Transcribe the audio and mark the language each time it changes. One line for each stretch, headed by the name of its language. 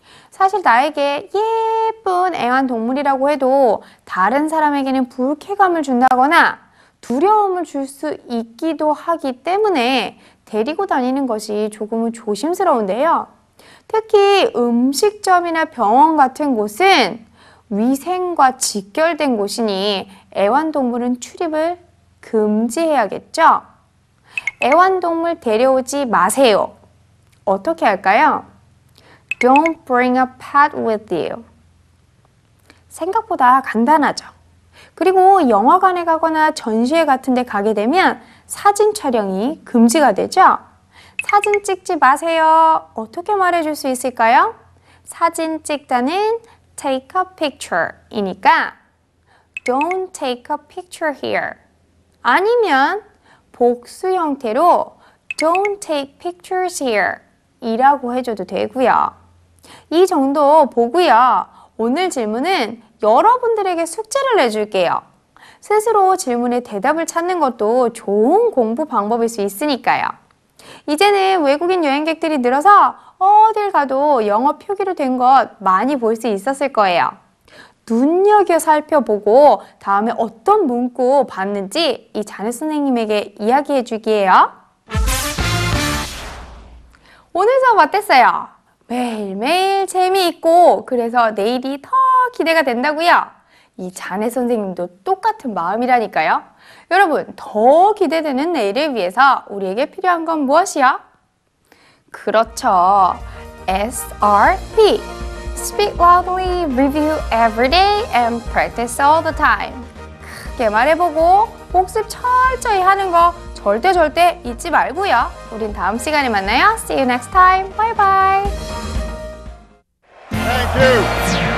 Korean: 사실 나에게 예쁜 애완동물이라고 해도 다른 사람에게는 불쾌감을 준다거나 두려움을 줄 수 있기도 하기 때문에 데리고 다니는 것이 조금은 조심스러운데요. 특히 음식점이나 병원 같은 곳은 위생과 직결된 곳이니 애완동물은 출입을 금지해야겠죠. 애완동물 데려오지 마세요. 어떻게 할까요?
English: Don't bring a pet with you.
Korean: 생각보다 간단하죠. 그리고 영화관에 가거나 전시회 같은 데 가게 되면 사진 촬영이 금지가 되죠? 사진 찍지 마세요. 어떻게 말해줄 수 있을까요? 사진 찍다는
English: take a picture이니까 don't take a picture here.
Korean: 아니면 복수 형태로
English: don't take pictures here
Korean: 이라고 해줘도 되고요. 이 정도 보고요. 오늘 질문은 여러분들에게 숙제를 내줄게요. 스스로 질문에 대답을 찾는 것도 좋은 공부 방법일 수 있으니까요. 이제는 외국인 여행객들이 늘어서 어딜 가도 영어 표기로 된 것 많이 볼 수 있었을 거예요. 눈여겨 살펴보고 다음에 어떤 문구 봤는지 이 자네 선생님에게 이야기해 주기예요. 오늘 수업 어땠어요? 매일매일 재미있고 그래서 내일이 더 기대가 된다고요. 이 자네 선생님도 똑같은 마음이라니까요. 여러분, 더 기대되는 내일을 위해서 우리에게 필요한 건 무엇이요? 그렇죠. SRP.
English: Speak loudly, review every day, and practice all the time.
Korean: 크게 말해보고 복습 철저히 하는 거 절대 잊지 말고요. 우린 다음 시간에 만나요.
English: See you next time. Bye bye. Thank you.